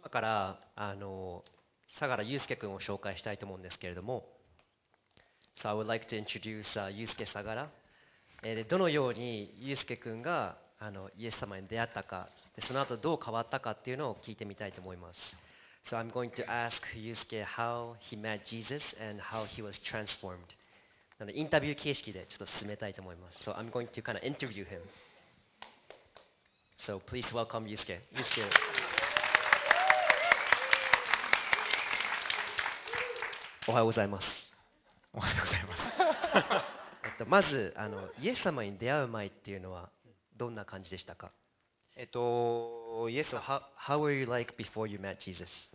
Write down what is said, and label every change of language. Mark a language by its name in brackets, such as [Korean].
[Japanese] 今から佐原祐介君を紹介したいと思うんですけれども、 [English] So I would like to introduce [Japanese] 祐介佐原。どのように祐介君がイエス様に出会ったか、でその後どう変わったかっていうのを聞いてみたいと思います。 [English] So I'm going to ask Yusuke how he met Jesus and how he was transformed. [Japanese] インタビュー形式でちょっと進めたいと思います。 [English] So I'm going to kind of interview him. So please welcome Yusuke. Yusuke. [Japanese] おはようございます。おはようございます。まずイエス様に出会う前っていうのはどんな感じでしたか。イエス [English] 様、How were you like before you met Jesus?